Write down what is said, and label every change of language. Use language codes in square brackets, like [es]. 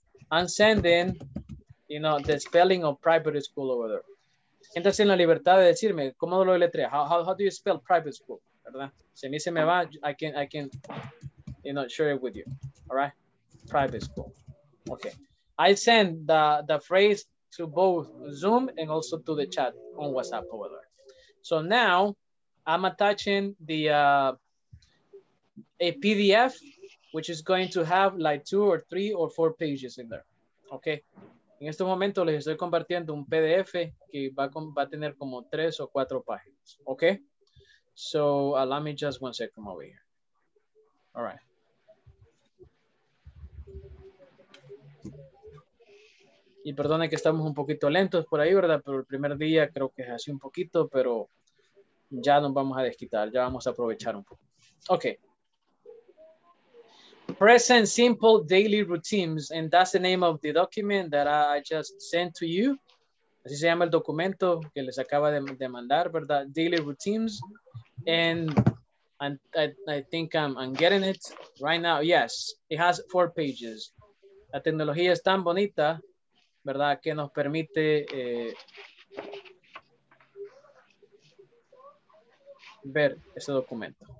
[en] I'm sending, you know, the spelling of private school over there. [es] Siéntase en la libertad de decirme, ¿cómo lo deletreo? [en] How do you spell private school? ¿Verdad? [es] Si a mí se me va, [en] I can, you know, share it with you. All right? Private school. Okay. I send the phrase to both Zoom and also to the chat on WhatsApp over there. So now, I'm attaching the a PDF, which is going to have like 2 or 3 or 4 pages in there, okay? [es] En este momento les estoy compartiendo un PDF que va a tener como 3 o 4 páginas, okay? [en] So allow me just 1 second over here. All right. [es] Y perdone que estamos un poquito lentos por ahí, ¿verdad? Pero el primer día creo que es así un poquito, pero ya nos vamos a desquitar, ya vamos a aprovechar un poco. [en] Okay. Present Simple Daily Routines, and that's the name of the document that I just sent to you. [es] Así se llama el documento que les acaba de mandar, ¿verdad? [en] Daily Routines, and I think I'm getting it right now. Yes, it has 4 pages. [es] La tecnología es tan bonita, ¿verdad? Que nos permite ver ese documento.